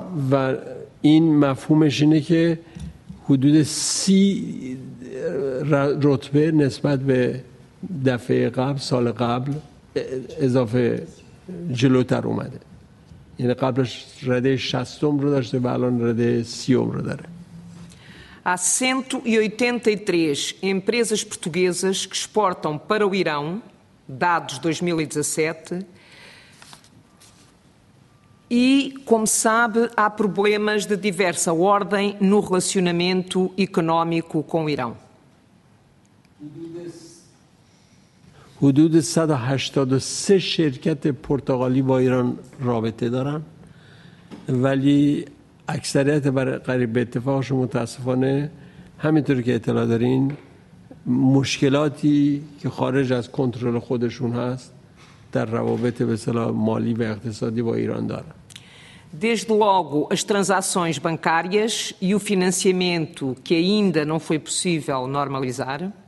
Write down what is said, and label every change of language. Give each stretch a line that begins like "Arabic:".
Persian: و این مفهومش اینه که حدود 30 رتبه نسبت به دفعه قبل سال قبل اضافه جلوتر اومده، یعنی قبلش رده 60 رو داشته و الان رده 30 رو داره.
Portuguese: Há 183 empresas portuguesas que exportam para o Irão, dados 2017, e, como sabe, há problemas de diversa ordem no relacionamento económico com o Irão.
Persian: حدود 183 شرکت پرتغالی با ایران رابطه دارن، ولی اکثریت بر قریب به اتفاقش متاسفانه همینطور که اطلاع دارین مشکلاتی که خارج از کنترل خودشون هست در روابط به اصطلاح مالی و اقتصادی با ایران دارن.
Portuguese: Desde logo as transações bancárias e o financiamento que ainda não foi possível normalizar.